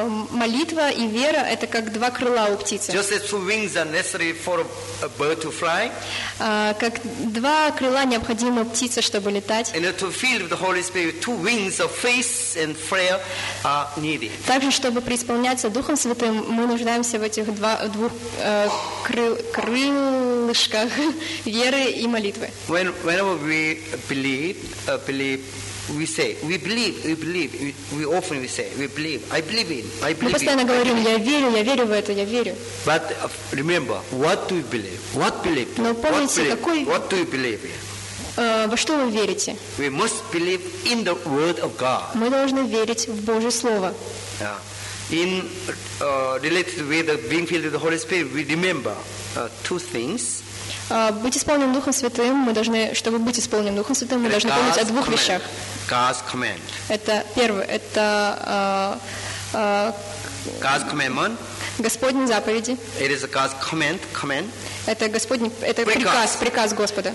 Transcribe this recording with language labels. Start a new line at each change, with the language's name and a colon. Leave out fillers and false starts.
Russian: Молитва и вера – это как два крыла у птицы.
English: Just as two wings are necessary for a bird to fly.
Russian: Как два крыла необходимы птице, чтобы летать.
English: And to fill with the Holy Spirit, two wings of faith and prayer are needed.
Russian: Также, чтобы преисполняться Духом Святым, мы нуждаемся в этих двух крылышках веры и молитвы.
English: Whenever we believe. We say, we believe, we believe. We often we say, we believe. I believe in. I believe.
Russian: Мы постоянно говорим, я верю, я верю в это, я верю.
English: But remember, what do you believe? What believe?
Russian: Но помните, какой?
English: What do you believe?
Russian: Во что вы верите?
English: We must believe in the word of God.
Russian: Мы должны верить в Божье слово.
English: Yeah. In related with the being filled with the Holy Spirit, we remember two things.
Russian: Быть исполненным Духом Святым, мы должны, чтобы быть исполненным Духом Святым, мы должны помнить о двух вещах.
English: God's command.
Russian: Это первое, это
English: God's commandment.
Russian: Господни заповеди.
English: It is God's command.
Russian: Это Господь, это приказ, приказ Господа.